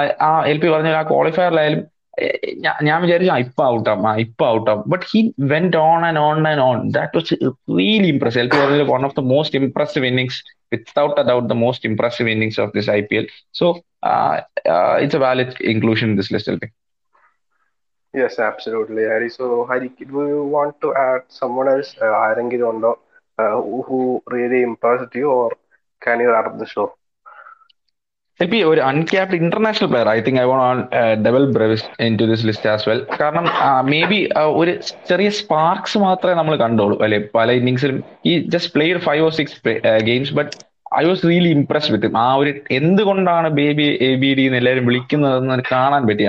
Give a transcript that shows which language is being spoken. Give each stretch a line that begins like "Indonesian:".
Malayalam: ആ L P പറഞ്ഞ ആ ക്വാളിഫയറിലായാലും ഞാൻ വിചാരിച്ചു ഇപ്പൊ ഔട്ടാം, ആ ഇപ്പൊ ഔട്ടാം,
English: But he went on and on and on, that was really impressive. L P പറഞ്ഞ one of the most impressive innings, without a doubt the most impressive innings of this I P L. So it's a valid inclusion this list L P. Yes, absolutely, Harry. So, Harry, do you want to add someone else, Arangi Rondo, who really impressed you, or can you wrap up the show? L P ഒരു uncapped international player, I think I want on Dewald Brevis into this list as well.
Malayalam: കാരണം may be ഒരു ചെറിയ Sparks മാത്രമേ നമ്മൾ കണ്ടുള്ളൂ അല്ലെ പല ഇന്നിങ്സിലും. ഈ just played 5 or 6 games,
English: but I was really impressed
Malayalam: വിത്ത് ആ ഒരു എന്തുകൊണ്ടാണ് ബേബി എ ബി ഡി എന്ന് എല്ലാവരും വിളിക്കുന്നതെന്ന് കാണാൻ പറ്റി.